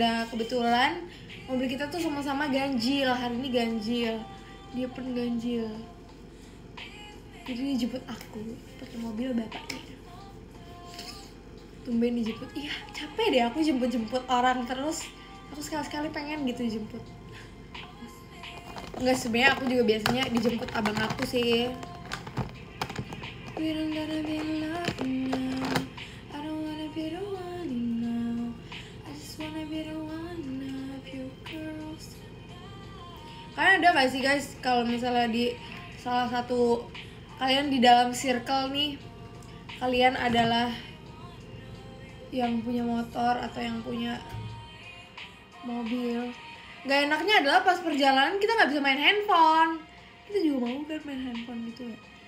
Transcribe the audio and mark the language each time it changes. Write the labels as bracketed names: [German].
[Indonesian] Dan kebetulan mobil kita tuh sama-sama ganjil, hari ini ganjil, dia pun ganjil, jadi dijemput aku pakai mobil bapaknya. Tumben dijemput, iya capek deh aku jemput-jemput orang terus. Aku sekali-sekali pengen gitu dijemput. Enggak, sebenarnya aku juga biasanya dijemput abang aku sih. [English] We don't gotta be in love now, I don't wanna be the one now, I just wanna be the one of you girls. [Indonesian] Kalian udah gak sih guys, kalau misalnya di salah satu kalian di dalam circle nih, kalian adalah yang punya motor atau yang punya mobil. Gak enaknya adalah pas perjalanan kita gak bisa main handphone. Kita juga mau kan main handphone gitu ya.